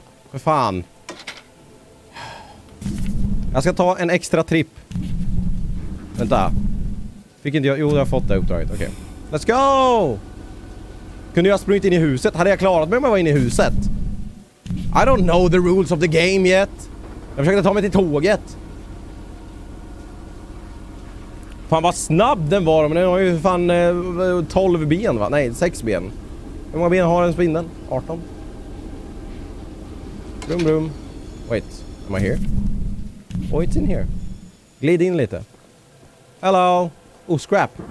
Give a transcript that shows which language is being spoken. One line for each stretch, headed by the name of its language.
Swedish: För fan. Jag ska ta en extra trip. Vänta. Fick inte jag... Jo, jag har fått det uppdraget. Okej.
English: Okay. Let's go!
Swedish: Kunde jag sprungit in i huset? Hade jag klarat mig om jag var inne i huset?
English: I don't know the rules of the game yet.
Swedish: Jag försökte ta mig till tåget. Fan, vad snabb den var. Men den har ju fan 12 ben, va? Nej, 6 ben. Hur många ben har den spindeln? 18.
English: Brum, brum. Wait. Am I here? Oh, it's in here.
Swedish: Glid in lite.
English: Hello. Oh, scrap.